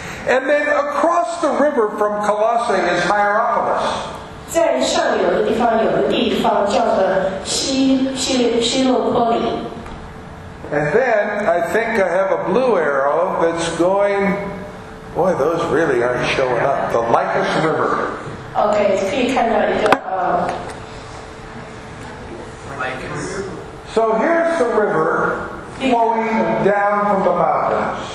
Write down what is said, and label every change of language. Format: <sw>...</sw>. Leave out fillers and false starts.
<en>And then across the river from Colossae is Hierapolis.</en> <zh>在上游的地方有个地方叫做西洛波里。</zh> <en>And then I think I have a blue arrow that's going. Boy, those really aren't showing up. The Lycus River.</en> <zh>Okay, 可以看到一个</zh> <en>Lycus. So here's the river. Flowing down from the mountains.</en>